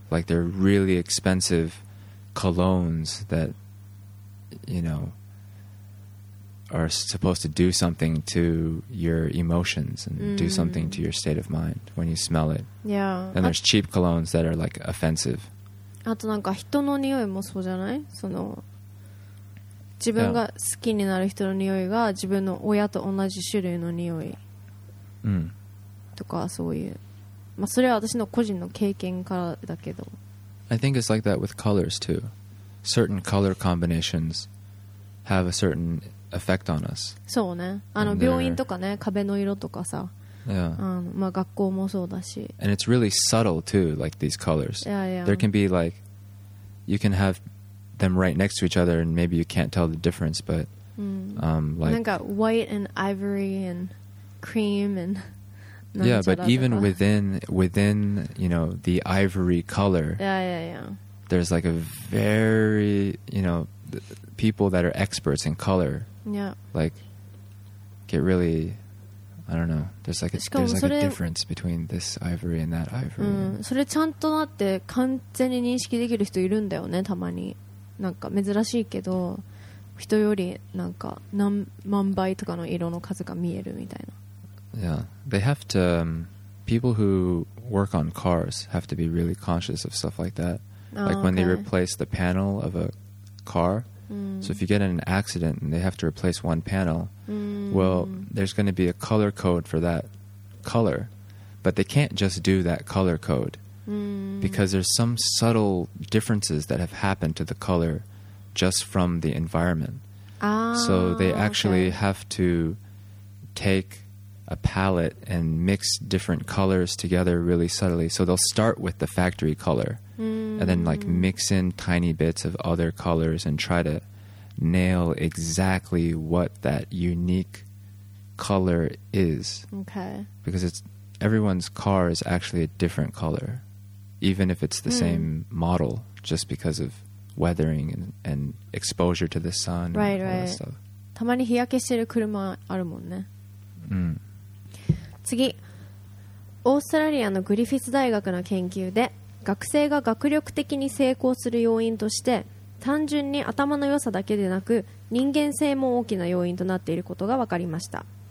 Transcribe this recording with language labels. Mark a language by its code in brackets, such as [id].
[en] like they're really expensive colognes that you know are supposed to do something to your emotions and、mm. do something to your state of mind when you smell it、 yeah. and there's cheap colognes that are like offensive [ja] あとなんか人の匂いもそうじゃない？その自分が好きになる人の匂いが自分の親と同じ種類の匂いとかそういう、まあ、それは私の個人の経験からだけど。 [en] I think it's like that with colors too. Certain color combinations have a certain effect on us. [ja] そうね。あの病院とかね、壁の色とかさ。 [en] Yeah. [ja] まあ学校もそうだし。 [en] And it's really subtle too, like these colors. Yeah, yeah. There can be like, you can have them right next to each other and maybe you can't tell the difference, but、 mm. Like... なんか white and ivory and cream and... Yeah, but even within, you know, the ivory color... Yeah, yeah, yeah. There's like a very, you know, people that are experts in color. Yeah. Like, get really... I don't know. There's like, there's like a difference between this ivory and that ivory. [ja] それちゃんとなって完全に認識できる人いるんだよね、たまに。なんか珍しいけど、人よりなんか何万倍とかの色の数が見えるみたいな。 [en] Yeah. They have to, people who work on cars have to be really conscious of stuff like that. Like when they replace the panel of a car. So if you get in an accident and they have to replace one panel、 mm. well there's going to be a color code for that color, but they can't just do that color code、mm. because there's some subtle differences that have happened to the color just from the environment、 ah, so they actually、 okay. have to take a palette and mix different colors together really subtly, so they'll start with the factory colorand then like mix in tiny bits of other colors and try to nail exactly what that unique color is. Okay. Because it's, everyone's car is actually a different color, even if it's the、mm. same model, just because of weathering and exposure to the sun right, and all、 right. that stuff. [ja] たまに日焼けしてる車あるもんね。うん。次、オーストラリアのグリフィス大学の研究で学生が学力的に成功する要因として単純に頭の良さだけでなく人間性も大きな要因となっていることが分かりました。